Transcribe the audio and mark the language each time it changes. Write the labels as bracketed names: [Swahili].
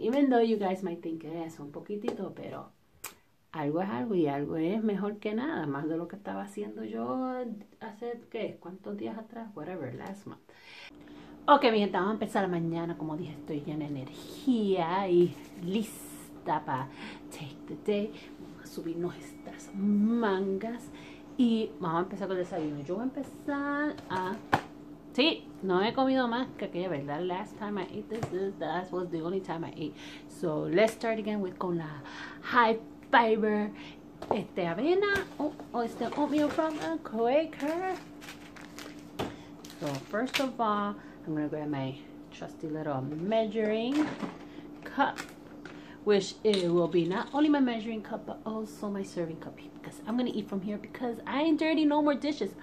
[English] Even though you guys might think it is [Spanish] un poquitito, pero. Algo es algo y algo es mejor que nada, más de lo que estaba haciendo yo hace, ¿qué? ¿Cuántos días atrás? [English] Whatever, last month. [Spanish] Ok, mi gente, vamos a empezar la mañana. Como dije, estoy llena de energía y lista para [English] take the day. [Spanish] Vamos a subir nuestras mangas y vamos a empezar con el desayuno. Yo voy a empezar a. Sí, no he comido más que aquella vez. [English] The last time I ate this, that was the only time I ate. So, let's start again with [Spanish] con la [English] hype. Fiber, [Spanish] avena o este [English] oatmeal from a Quaker. So first of all, I'm gonna grab my trusty little measuring cup, which it will be not only my measuring cup but also my serving cup because I'm gonna eat from here because I ain't dirty no more dishes.